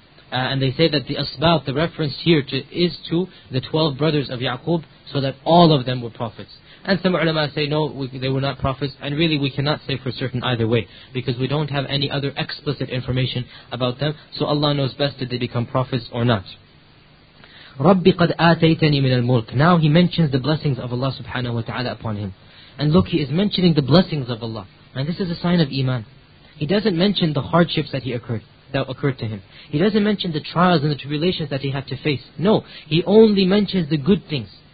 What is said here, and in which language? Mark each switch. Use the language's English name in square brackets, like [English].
[English] And they say that the asbat, the reference here to, is to the 12 brothers of Ya'qub, so that all of them were prophets. And some ulama say, no, they were not prophets. And really, we cannot say for certain either way, because we don't have any other explicit information about them. So Allah knows best, did they become prophets or not. [Arabic] Rabbi قَدْ آتَيْتَنِي مِنَ الْمُلْكِ. [English] Now he mentions the blessings of Allah subhanahu wa ta'ala upon him. And look, he is mentioning the blessings of Allah. And this is a sign of iman. He doesn't mention the hardships that occurred to him. He doesn't mention the trials and the tribulations that he had to face. No, he only mentions the good things.